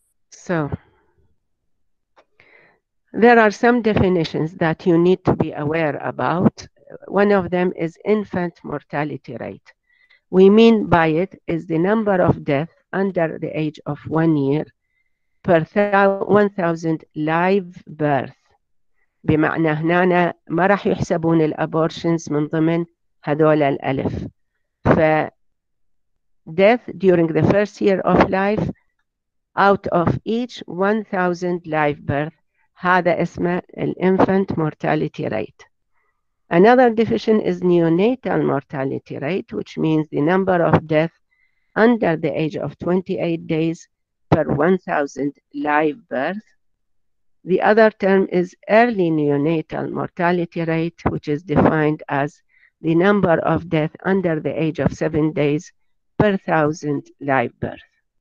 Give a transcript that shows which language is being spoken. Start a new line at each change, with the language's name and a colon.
English: So there are some definitions that you need to be aware about. One of them is infant mortality rate. We mean by it is the number of deaths under the age of 1 year per 1,000 live birth.
Arabic: بمعنى هنا ما راح يحسبون الابورشنز من ضمن هذول الالف.
English: ف death during the first year of life out of each 1,000 live birth.
Arabic: هذا اسمه
English: الانفنت mortality rate. Another definition is neonatal mortality rate, which means the number of deaths under the age of 28 days per 1,000 live births. The other term is early neonatal mortality rate, which is defined as the number of deaths under the age of 7 days per 1,000 live births.